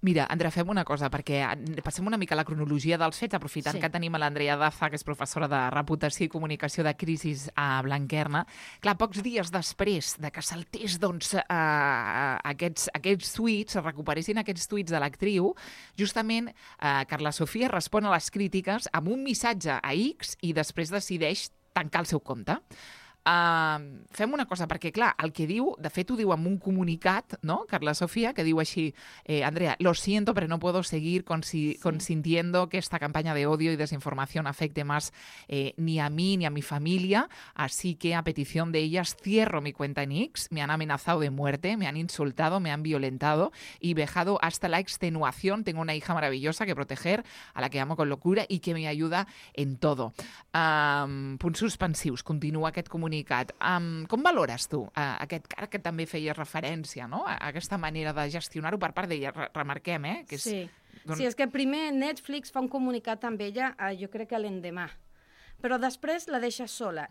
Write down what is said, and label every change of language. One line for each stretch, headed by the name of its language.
Catalan: Mira, Andrea, fem una cosa, perquè passem una mica a la cronologia dels fets, aprofitant que tenim l'Andrea Daza, que és professora de Reputació i Comunicació de Crisis a Blanquerna. Clar, pocs dies després de que saltés doncs, aquests tuits, recuperessin aquests tuits de l'actriu, justament Carla Sofia respon a les crítiques amb un missatge a X i després decideix tancar el seu compte.
Spanish: Fem una cosa, perquè, clar, el que diu, de fet, ho diu amb un comunicat, no?, Carla Sofia, que diu així, Andrea, lo siento, pero no puedo seguir consintiendo que esta campaña de odio y desinformación afecte más ni a mí ni a mi familia, así que a petición de ellas cierro mi cuenta en X, me han amenazado de muerte, me han insultado, me han violentado y vejado hasta la extenuación, tengo una hija maravillosa que proteger, a la que amo con locura y que me ayuda en todo.
Catalan: Punts suspensius, continua aquest comunicat. Com valores tu aquest car que també feies referència, no? A aquesta manera de gestionar-ho per part d'ella, remarquem, eh? Que és, sí. Sí, és que primer Netflix fa un comunicat amb ella, jo crec que l'endemà, però després la deixa sola.